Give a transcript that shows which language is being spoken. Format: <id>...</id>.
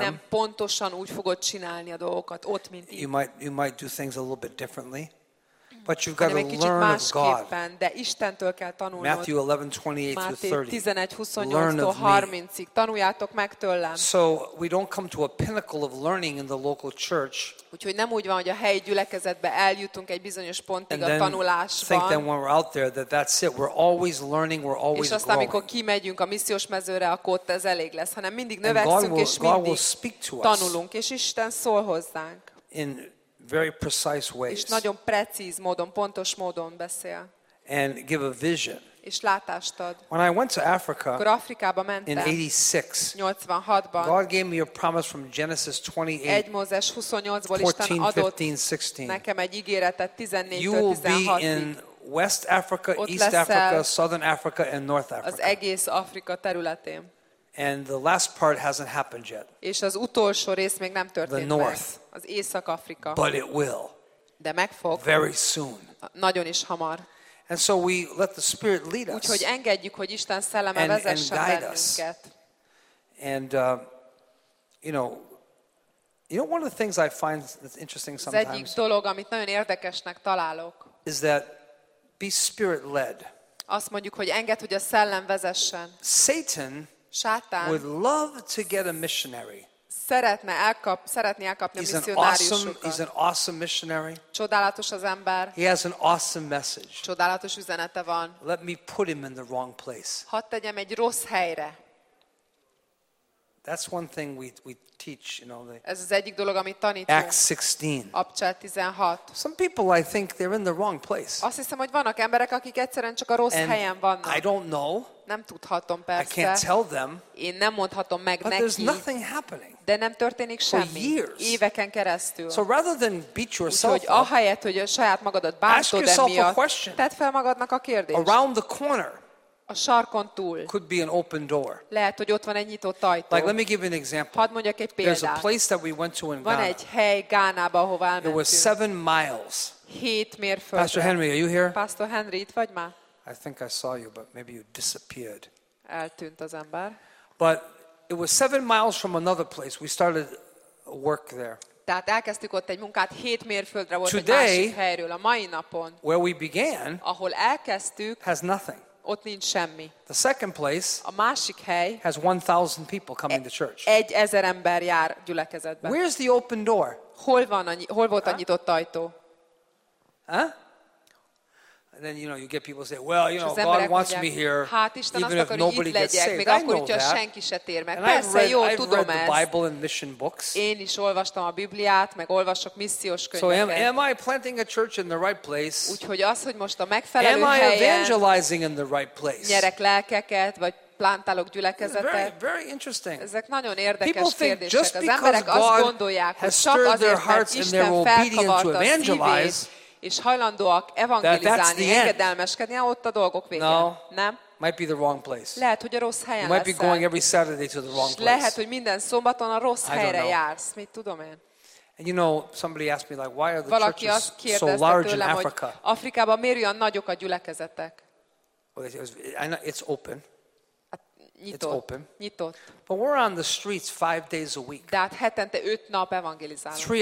<hu>Lehet, hogy nem pontosan úgy fogod csinálni a dolgokat ott, mint itt.</hu> <en>You might do things a little bit differently. But you've got to learn of God.</en> <hu>De Istentől kell tanulnod.</hu> <en>Matthew 11:28-30.</en> <hu>Márté 11:28-30. Tanuljátok meg tőlem.</hu> <en>So we don't come to a pinnacle of learning in the local church.</en> <hu>Úgyhogy nem úgy van, hogy a helyi gyülekezetbe eljutunk egy bizonyos pontig a tanulásban.</hu> <en>Think that when we're out there that that's it. We're always learning, we're always growing.</en> <hu>És aztán, amikor kimegyünk a missziós mezőre, akkor ott ez elég lesz, hanem mindig növekszünk és mindig tanulunk, és Isten szól hozzánk.</hu> <en>Very precise ways.</en> <hu>És nagyon precíz módon, pontos módon beszél.</hu> <en>And give a vision.</en> <hu>És látást ad.</hu> <en>When I went to Africa,</en> <hu>akkor Afrikába mentem,</hu> <en>in 86,</en> <hu>86-ban,</hu> <en>God gave me a promise from Genesis 28,</en> <hu>1 Mózes 28-ból Isten adott</hu> <en>15-16.</en> <hu>Nekem egy ígéretet 14-16-ig.</hu> <en>You will be in West Africa, East Africa, Southern Africa, and North Africa.</en> <hu>Az egész Afrika területén.</hu> <en>And the last part hasn't happened yet.</en> <hu>És az utolsó rész még nem történt meg.</hu> <en>The north.</en> <hu>Az Észak-Afrika.</hu> <en>But it will.</en> <hu>De meg fog.</hu> <en>Very soon.</en> <hu>Nagyon is hamar.</hu> <en>And so we let the Spirit lead us.</en> <hu>Úgyhogy engedjük, hogy Isten szelleme vezesse bennünket.</hu> <en>And you know one of the things I find that's interesting sometimes.</en> <hu>Az egyik dolog, amit nagyon érdekesnek találok.</hu> <en>Is that be Spirit led.</en> <hu>Azt mondjuk, hogy engedd, hogy a szellem vezessen.</hu> <en>Satan</en> <hu>Sátán</hu> <en>would love to get a missionary.</en> <hu>Szeretné elkapni</hu> <en>he's</en> <hu>a missionáriusokat.</hu> <en>He's an awesome missionary.</en> <hu>Csodálatos az ember.</hu> <en>He has an awesome message.</en> <hu>Csodálatos üzenete van.</hu> <en>Let me put him in the wrong place.</en> <hu>Hadd tegyem egy rossz helyre.</hu> <en>That's one thing we teach, you know. The</en> <hu>ez az egyik dolog, amit tanítunk.</hu> <en>Acts 16.</en> <hu>Apcsát 16.</hu> <en>Some people, I think, they're in the wrong place.</en> <hu>Azt hiszem, hogy vannak emberek, akik egyszerűen csak a rossz</hu> <en>and</en> <hu>helyen vannak.</hu> <en>I don't know.</en> <hu>Nem tudhatom persze.</hu> <en>I can't tell them.</en> <hu>Én nem mondhatom meg</hu> <en>but</en> <hu>neki.</hu> <en>But there's nothing happening.</en> <hu>De nem történik semmi.</hu> <en>For years.</en> <hu>Éveken keresztül.</hu> <en>So rather than beat yourself</en> <hu>úgyhogy</hu> <en>up.</en> <hu>Ahelyett, hogy a saját magadat bántod emiatt, tedd fel magadnak a kérdést.</hu> <en>Around the corner.</en> <hu>A sarkon túl.</hu> <en>Could be an open door.</en> <hu>Lehet, hogy ott van egy nyitott ajtó.</hu> <en>Like, let me give you an example.</en> <hu>Hadd mondjak egy példát.</hu> <en>There's a place that we went to in Ghana.</en> <hu>Van egy hely Gánába, ahová elmentünk.</hu> <en>It was 7 miles.</en> <hu>7 mérföld.</hu> <en>Pastor Henry, are you here?</en> <hu>Pastor Henry, itt vagy már?</hu> <en>I think I saw you, but maybe you disappeared.</en> <hu>Eltűnt az ember.</hu> <en>But it was 7 miles from another place. We started work there.</en> <hu>Tehát elkezdtük ott egy munkát, 7 mérföldre volt</hu> <en>today,</en> <hu>egy másik helyről a mai napon.</hu> <en>Where we began,</en> <hu>ahol elkezdtük,</hu> <en>has nothing.</en> <hu>Ott nincs semmi.</hu> <en>The second place</en> <hu>a másik hely</hu> <en>has 1,000 people coming to church.</en> <hu>1,000 ember jár gyülekezetbe.</hu> <en>Where's the open door?</en> <hu>Hol volt a nyitott ajtó?</hu> <en>Huh? And then you know you get people say, well, you know, God wants me here.</en> <hu>Hát Isten azt akarja, hogy itt legyek, még akkor, hogyha senki se tér meg.</hu> <en>And</en> <hu>persze, jó, tudom ezt.</hu> <en>Bible and mission books.</en> <hu>Én is olvastam a Bibliát, meg olvasok missziós könyveket.</hu> <en>So am I planting a church in the right place?</en> <hu>Úgyhogy az, hogy most a megfelelő helyen.</hu> <en>Am I evangelizing in the right place?</en> <hu>Nyerek lelkeket, vagy plantálok gyülekezete.</hu> <en>Very interesting.</en> <hu>Ezek nagyon érdekes kérdések. Az emberek azt gondolják, hogy csak azért, mert Isten felkavart a szívét, és hajlandóak evangelizálni, engedelmeskedni, ott a dolgok vége.</hu> <en>No.</en> <hu>Nem?</hu> <en>Might be the wrong place.</en> <hu>Lehet, hogy a rossz helyen leszel.</hu> <en>Might be going every Saturday to the wrong place.</en> <hu>Lehet, hogy minden szombaton a rossz helyre jársz. Mit tudom én?</hu> <en>And you know, somebody asked me like, why are the churches so large in Africa?</en> <hu>Afrikában miért olyan nagyok a gyülekezetek?</hu> <en>It's open.</en> <hu>Nyitott.</hu> <en>It's open.</en> <hu>Nyitott.</hu> <en>But we're on the streets 5 days a week.</en> <hu>De hát hetente 5 nap evangelizálunk.</hu>